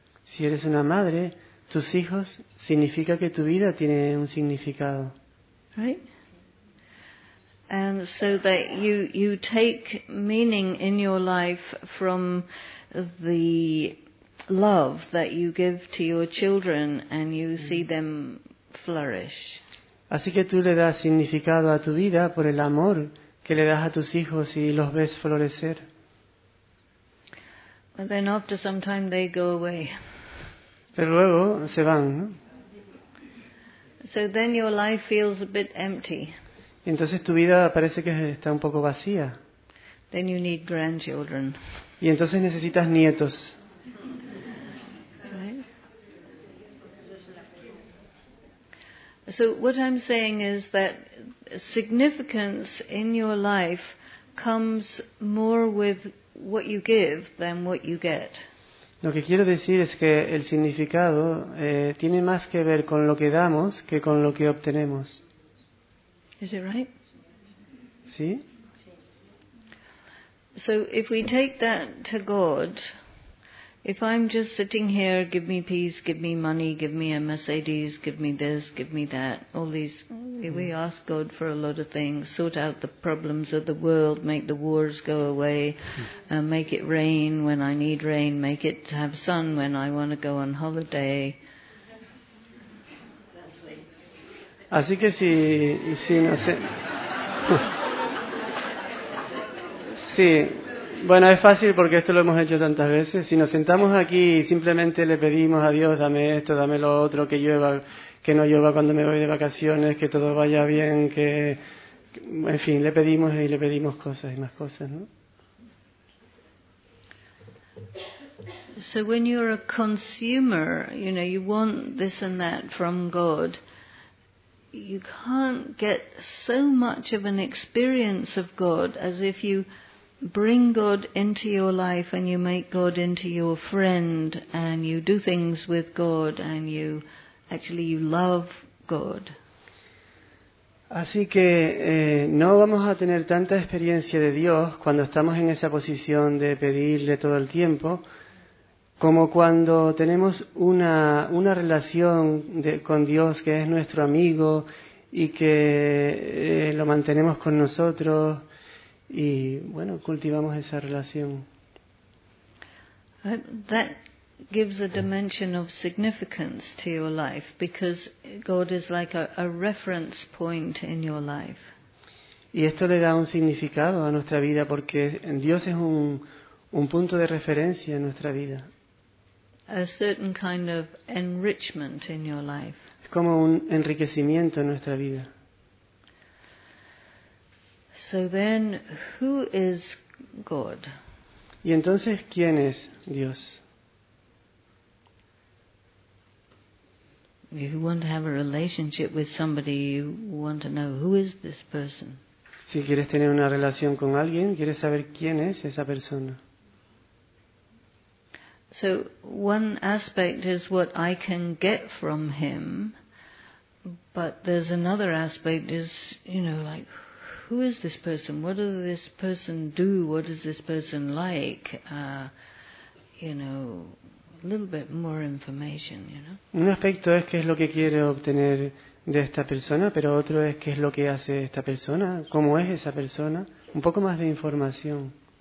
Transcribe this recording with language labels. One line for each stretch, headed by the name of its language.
Spanish: Si eres una madre, tus hijos significa que tu vida tiene un significado.
English: Right? And so that you take meaning in your life from the love that you give to your children and you see them flourish.
Spanish: Así que tú le das significado a tu vida por el amor que le das a tus hijos y los ves florecer.
English: But then after some time they go away.
Spanish: Pero luego se van, ¿no?
English: So then your life feels a bit empty.
Spanish: Entonces tu vida parece que está un poco vacía.
English: Then you need grandchildren.
Spanish: Y entonces necesitas nietos.
English: So what I'm saying is that significance in your life comes more with what you give than what you get.
Spanish: Lo que quiero decir es que el significado tiene más que ver con lo que damos que con lo que obtenemos.
English: Is it right?
Spanish: ¿Sí?
English: So if we take that to God, if I'm just sitting here, give me peace, give me money, give me a Mercedes, give me this, give me that, all these, if we ask God for a lot of things, sort out the problems of the world, make the wars go away, make it rain when I need rain, make it have sun when I want to go on holiday.
Spanish: Así que si no sé. Sí, bueno, es fácil porque esto lo hemos hecho tantas veces. Si nos sentamos aquí y simplemente le pedimos a Dios, dame esto, dame lo otro, que llueva, que no llueva cuando me voy de vacaciones, que todo vaya bien, que, en fin, le pedimos y le pedimos cosas y más cosas, ¿no?
English: So when you're a consumer, you know, you want this and that from God. You can't get so much of an experience of God as if you bring God into your life and you make God into your friend and you do things with God and you love God.
Spanish: Así que no vamos a tener tanta experiencia de Dios cuando estamos en esa posición de pedirle todo el tiempo como cuando tenemos una relación con Dios que es nuestro amigo y que lo mantenemos con nosotros y, bueno, cultivamos esa relación.
English: That gives a dimension of significance to your life because God is like a reference point in your life.
Spanish: Y esto le da un significado a nuestra vida porque Dios es un punto de referencia en nuestra vida.
English: A certain kind of enrichment in your life.
Spanish: Es como un enriquecimiento en nuestra vida.
English: So then, who is God?
Spanish: Y entonces, ¿quién es Dios?
English: If you want to have a relationship with somebody, you want to know who is this person.
Spanish: Si quieres tener una relación con alguien, quieres saber quién es esa persona.
English: So one aspect is what I can get from him, but there's another aspect is, you know, like, who is this person? What does this person do? What is this person like? A little bit more information, you know.
Spanish: Un aspecto es qué es lo que quiere obtener de esta persona, pero otro es qué es lo que hace esta persona, cómo es esa persona, un poco más de información.